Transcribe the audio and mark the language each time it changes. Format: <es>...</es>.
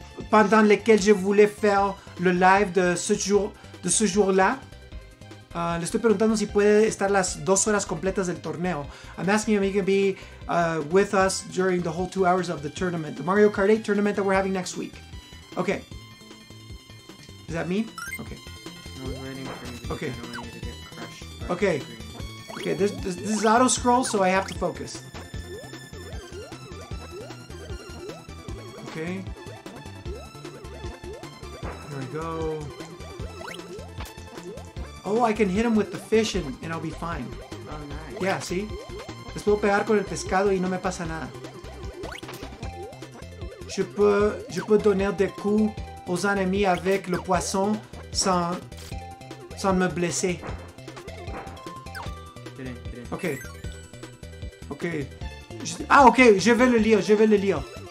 <fr>pendant lesquelles je voulais faire le live de ce jour-là?</fr> <es>Le estoy preguntando si puede estar las 2 horas completas del torneo.</es> <en>I'm asking if he can be with us during the whole 2 hours of the tournament. The Mario Kart 8 tournament that we're having next week. Okay. Is that me? Okay. I was waiting for you. Okay. I don't want you to get crushed. Okay. Okay, this is auto-scroll, so I have to focus. Okay. There we go. Oh, I can hit him with the fish and I'll be fine. Oh, nice. Yeah, see?</en> <es>Les puedo pegar con el pescado y no me pasa nada.</es> <fr>Je peux donner des coups aux ennemis avec le poisson sans, sans me blesser. Ok. Ok. Ah, ok, je vais le lire, je vais le lire.</fr>